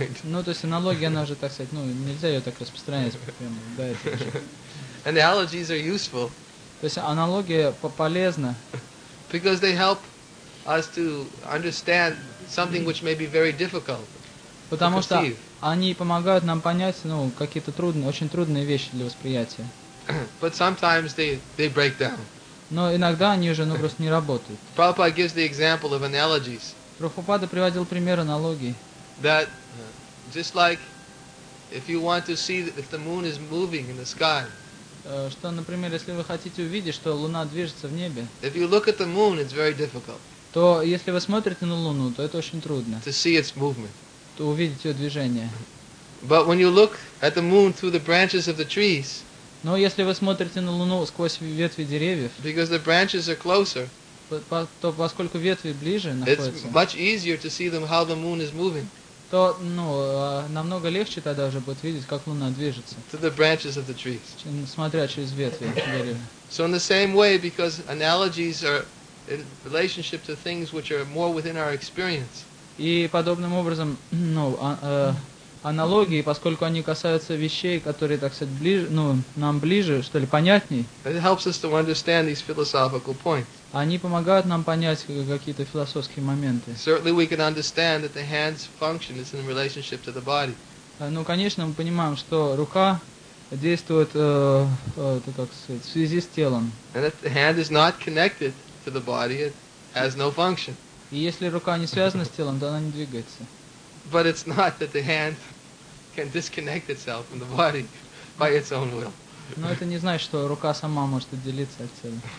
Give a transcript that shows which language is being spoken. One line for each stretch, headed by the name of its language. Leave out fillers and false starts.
Russian: Ну, то есть аналогия, она уже, так сказать, ну, нельзя ее так распространять прямо, да, это же.
English: Analogies are useful.
Russian: То есть аналогия полезна.
English: Because they help us to understand something which may be very difficult.
Russian: Потому что они помогают нам понять, ну, какие-то трудные, очень трудные вещи для восприятия.
English: But sometimes they break down.
Russian: Но иногда они уже, ну, просто не работают.
English: Prabhupada gives the example of analogies.
Russian: Прабхупада приводил пример аналогии.
English: That just like if you want to see if the moon is moving in the sky.
Russian: Что, например, если вы хотите увидеть, что луна движется в небе.
English: If you look at the moon, it's very difficult.
Russian: То если вы смотрите на луну, то это очень трудно.
English: To see its movement.
Russian: То увидеть ее движение.
English: But when you look at the moon through the branches of the trees.
Russian: Но если вы смотрите на луну сквозь ветви деревьев.
English: Because the branches are closer.
Russian: То поскольку ветви ближе находятся, то, ну, намного легче тогда уже будет видеть, как луна движется.
English: To the branches of the trees.
Russian: Смотря через ветви деревьев.
English: So in the same way, because analogies are in relationship to things which are more within our experience.
Russian: И подобным образом, ну, аналогии, поскольку они касаются вещей, которые, так сказать, ближе, ну, нам ближе, что ли, понятней.
English: It helps us to understand these philosophical points.
Russian: Они помогают нам понять какие-то философские моменты.
English: Certainly we can understand that the hand's function is in relationship to the body.
Russian: Ну, конечно, мы понимаем, что рука действует, это как сказать, в связи с телом.
English: And if the hand is not connected to the body, it has no function.
Russian: И если рука не связана с телом, то она не двигается.
English: But it's not that the hand can disconnect itself from the body by its own will.
Russian: Но это не значит, что рука сама может отделиться от тела.